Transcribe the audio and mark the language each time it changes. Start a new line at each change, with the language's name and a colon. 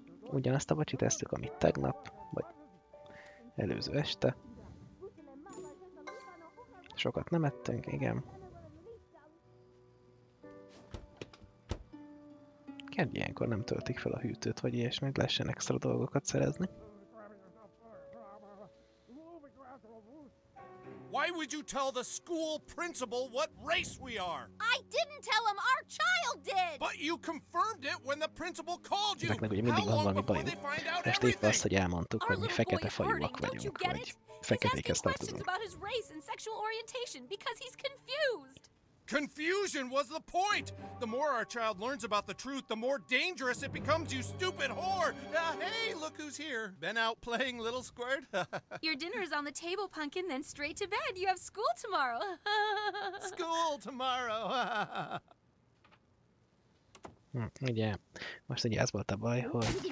Hungarian: Ugyanazt a vacsit esztük, amit tegnap, vagy előző este. Sokat nem ettünk, igen. Kérd, ilyenkor nem töltik fel a hűtőt, vagy ilyesmi, lehessen extra dolgokat szerezni.
English: Why would you tell the school principal what race we are? I didn't tell him, our child did! But you confirmed it when the principal called you!
Hungarian: Meg, ugye mindig van valami baj. Most épp az, hogy elmondtuk, hogy mi fekete fajúak vagyunk, vagy feketékhez tartozunk.
English: He's asking questions about his race and sexual orientation because he's confused! Confusion was the point! The more our child learns about the truth, the more dangerous it becomes, you stupid whore! Hey, look who's here! Been out playing, little squirt? Your dinner is on the table, Pumpkin, then straight to bed. You have school tomorrow! School tomorrow!
Hungarian: Ugye, most ugye ez volt a baj, hogy...